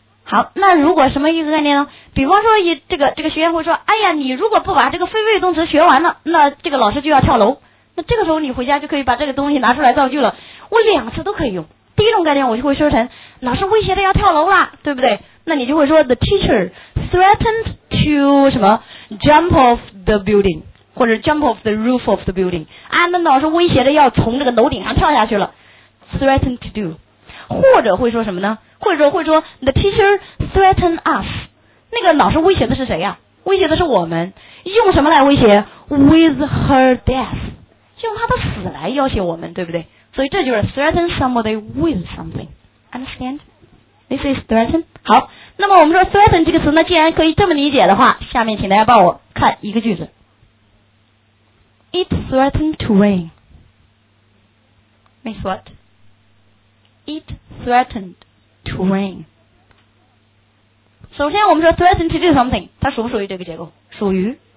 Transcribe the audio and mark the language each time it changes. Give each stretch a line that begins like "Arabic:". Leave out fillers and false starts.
Chinese: 好，那如果什么一个概念呢？比方说以这个学员会说，哎呀，你如果不把这个非谓语动词学完了，那这个老师就要跳楼，那这个时候你回家就可以把这个东西拿出来造句了，我两次都可以用。第一种概念我就会说成老师威胁的要跳楼了，对不对？那你就会说
English: the teacher threatened to 什么 jump off the building， 或者 jump off the roof of the building，
Chinese: 啊，那老师威胁的要从这个楼顶上跳下去了，
English: threatened to do。
Chinese: 或者会说什么呢？会说
English: the teacher threatened us，
Chinese: 那个老师威胁的是谁呀？威胁的是我们。用什么来威胁？
English: with her death，
Chinese: 用她的死来要挟我们，对不对？所以这就是
English: threaten somebody with something， understand？ This is threaten。
Chinese: 好，那么我们说 threaten 这个词呢，既然可以这么理解的话，下面请大家帮我看一个句子。
English: It threatened to rain。 Miss what? It threatened to rain。
Chinese: 首先我们说
English: threaten to do something，
Chinese: 它属不属于这个结构？属于。